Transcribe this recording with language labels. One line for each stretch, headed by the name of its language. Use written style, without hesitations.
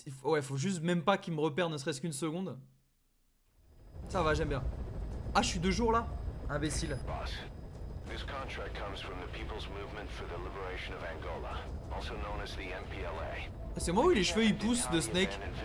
French: Ouais, faut juste même pas qu'il me repère ne serait-ce qu'une seconde. Ça va, j'aime bien. Ah, je suis deux jours là, imbécile.
English: Boss, this contract comes from the People's Movement for the Liberation of Angola, also known as the MPLA.
French: Ah, c'est moi où les cheveux ils poussent de Snake.